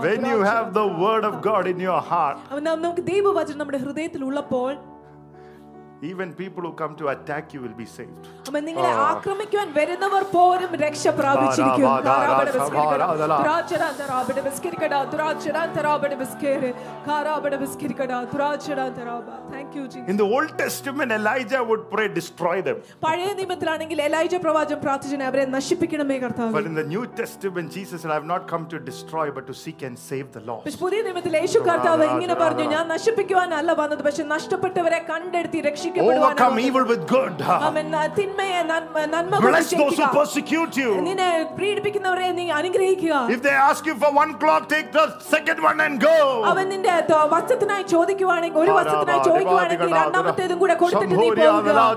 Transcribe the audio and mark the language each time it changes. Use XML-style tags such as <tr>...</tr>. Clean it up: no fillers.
<en>When you have the word of God in your heart.</en> <ml>നമുക്ക് ദൈവവചനം നമ്മുടെ ഹൃദയത്തിൽ ഉള്ളപ്പോൾ.</ml> <en>Even people who come to attack you will be saved.</en> <ml>അമ്മേ നിങ്ങളെ ആക്രമിക്കാൻ വരുന്നവർ പോലും രക്ഷ പ്രാപിച്ചിരിക്കും. കാരാബട ബസ്കിരകട. ദുരാചരൻ തരാബട ബസ്കിരകട. ദുരാചരൻ തരാബട ബസ്കേര. കാരാബട ബസ്കിരകട. ദുരാചരൻ തരാബ.</ml> <en>Thank you Jesus. In the Old Testament Elijah would pray destroy them.</en> <ml>പഴയ നിയമത്തിലാണെങ്കിൽ എലൈജ പ്രവാചകൻ പ്രാർത്ഥിച്ചിനെ അവരെ നശിപ്പിക്കണമേ കർത്താവേ.</ml> <en>But in the New Testament Jesus said I have not come to destroy but to seek and save the lost.</en> <ml>പക്ഷേ പുതിയ നിയമത്തിൽ യേശു കർത്താവേ ഇങ്ങനെ പറഞ്ഞു, ഞാൻ നശിപ്പിക്കുവാനല്ല വന്നത് പക്ഷേ നഷ്ടപ്പെട്ടവരെ കണ്ടെത്തി രക്ഷിക്കപ്പെടുവാനാണ്.</ml> <en>Overcome evil with good.</en> <ml>അമേൻ. തിന്മയെ നന്മ കൊണ്ട് ജയിക്കുക.</ml> <en>Bless those who persecute you.</en> <ml>നിന്നെ പീഡിപ്പിക്കുന്നവരെ നീ അനുഗ്രഹിക്കുക.</ml> <en>If they ask you for 1 o'clock take the second one and go.</en> <ml>അവൻ നിന്റെ വസ്ത്രത്തിനായി ചോദിക്കുവാണെങ്കിൽ ഒരു വസ്ത്രം ചോദിക്കുവാണെങ്കിൽ രണ്ടാമത്തേതും കൂടെ കൊടുത്തിട്ട് നീ പോവുക.</ml>